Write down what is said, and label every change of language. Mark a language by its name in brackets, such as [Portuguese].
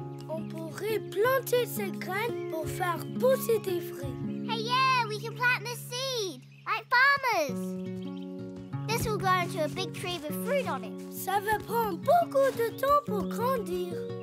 [French] On pourrait planter ces graines pour faire pousser des fruits. [English] Hey, yeah, we can plant the seed, like farmers. This will grow into a big tree with fruit on it. [French] Ça va prendre beaucoup de temps pour grandir.